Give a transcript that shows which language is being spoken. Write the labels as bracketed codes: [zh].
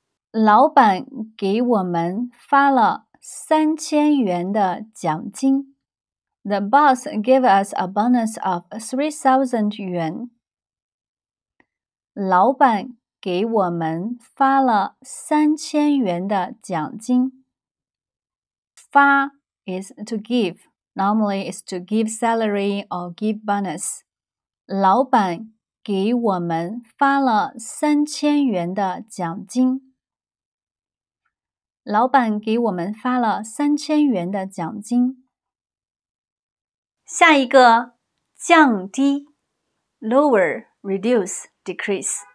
[zh] 老板给我们发了3000元的奖金。 [en] The boss gave us a bonus of 3000元。 [zh] 老板给我们发了3000元的奖金。 [en] 发is to give. Normally, it's to give salary or give bonus. [zh] 老板给我们发了3000元的奖金。老板给我们发了3000元的奖金。下一个，降低 ， lower, reduce, decrease。